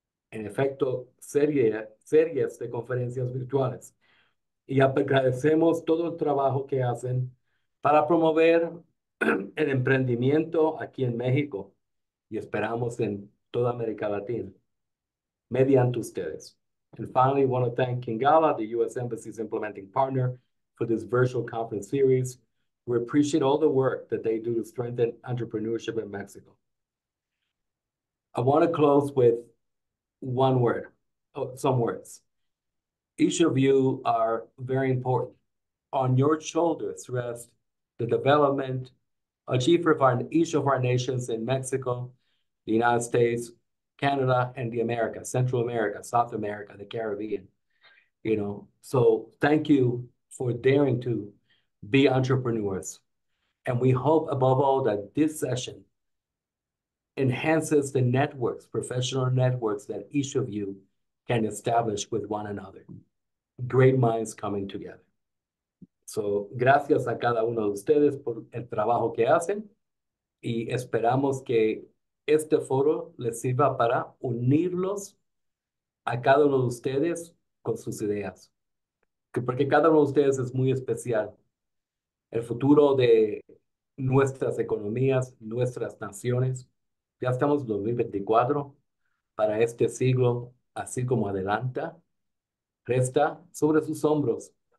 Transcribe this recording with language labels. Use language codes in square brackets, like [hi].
[es] En efecto, series de conferencias virtuales. Y agradecemos todo el trabajo que hacen para promover el emprendimiento aquí en México y esperamos en toda América Latina mediante ustedes. [en] And finally, I want to thank Kingala, the U.S. Embassy's implementing partner, for this virtual conference series. We appreciate all the work that they do to strengthen entrepreneurship in Mexico. I want to close with one word, oh, some words. Each of you are very important. On your shoulders rest the development, achievement of each of our nations in Mexico, the United States, Canada and the Americas, Central America, South America, the Caribbean. You know, so thank you for daring to be entrepreneurs. And we hope above all that this session enhances the networks, professional networks that each of you can establish with one another. Great minds coming together. [es] So, gracias a cada uno de ustedes por el trabajo que hacen y esperamos que este foro les sirva para unirlos a cada uno de ustedes con sus ideas. Porque cada uno de ustedes es muy especial. El futuro de nuestras economías, nuestras naciones, ya estamos en 2024, para este siglo, así como adelanta, resta sobre sus hombros.